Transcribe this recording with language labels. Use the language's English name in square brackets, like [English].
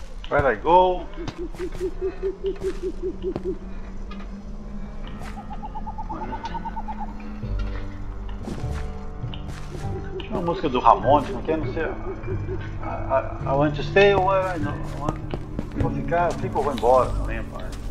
[English] Where I go? [Portuguese] Tinha uma música do Ramones, não quer? Não sei. [English] I want to stay or I don't want to... [Portuguese] Vou ficar, eu fico ou vou embora, não lembro.